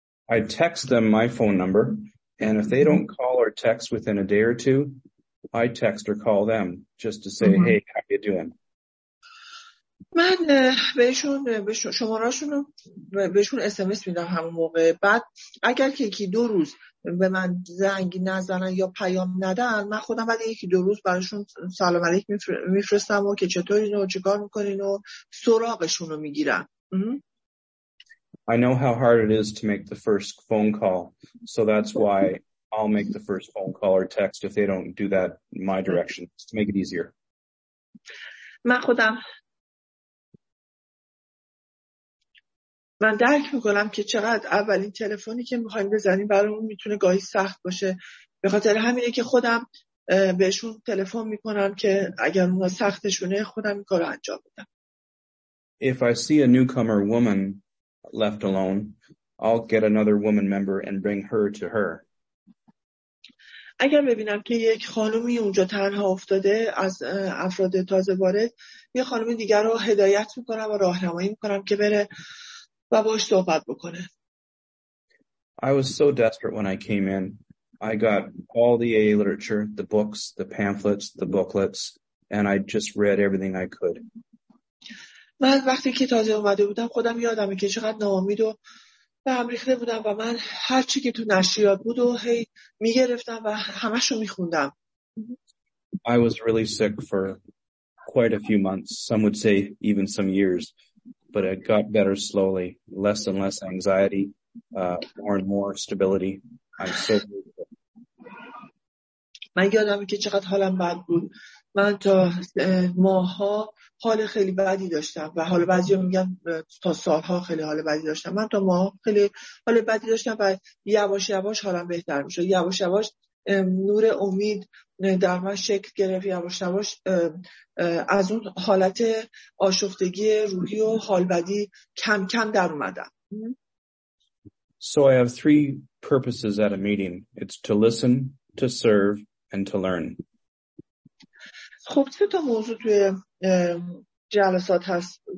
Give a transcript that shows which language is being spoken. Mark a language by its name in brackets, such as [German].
[English] I text them my phone number and if they don't call or text within a day or two I text or call them just to say hey how you doing. [Persian] من بهشون شماره‌شون رو بهشون اس ام اس میدم همون موقع بعد اگر که یکی دو روز به من زنگ نزنن یا پیام ندن من خودم بعد یکی دو روز براشون سلام علیک میفرستم و که چطورین و چیکار میکنین و سراغشون رو میگیرم. [English] I know how hard it is to make the first phone call so that's why I'll make the first phone call or text if they don't do that my direction to make it easier. [Persian] من درک میکنم که چقدر اولین تلفنی که میخواییم بزنیم برامون میتونه گاهی سخت باشه به خاطر همینه که خودم بهشون تلفن میکنم که اگر اونا سختشونه خودم این کارو انجام بدم. [English] If I see a newcomer woman left alone, I'll get another woman member and bring her to her. [Persian] اگر ببینم که یک خانومی اونجا تنها افتاده از افراد تازه وارد یه خانوم دیگر رو هدایت میکنم و راهنمایی میکنم که بره و باش صحبت بکنه. [English] I was so desperate when I came in. I got all the AA literature, the books, the pamphlets, the booklets, and I just read everything I could. [Persian] من وقتی که تازه اومده بودم خودم یادمه که چقدر ناامید و به هم ریخته بودم و من هر چی که تو نشریات بود و هی میگرفتم و همشو میخوندم. [English] I was really sick for quite a few months, some would say even some years. But it got better slowly, less and less anxiety, more and more stability. I'm so grateful. [Persian] من یادم که چقدر حالم بد بود. من تا ماها حال خیلی بدی داشتم و حالا بعضیا میگن تا سالها خیلی حال بدی داشتم. من تا ماها خیلی حال بدی داشتم و یواش یواش حالم بهتر میشد. یواش یواش نور امید در من شکل گرفت یواش یواش، از اون حالت آشفتگی روحی و حال بدی کم کم در اومدم. [English] So I have three purposes at a meeting. It's to listen, to serve, and to learn. [Persian] خب سه تا موضوع توی جلسات هست.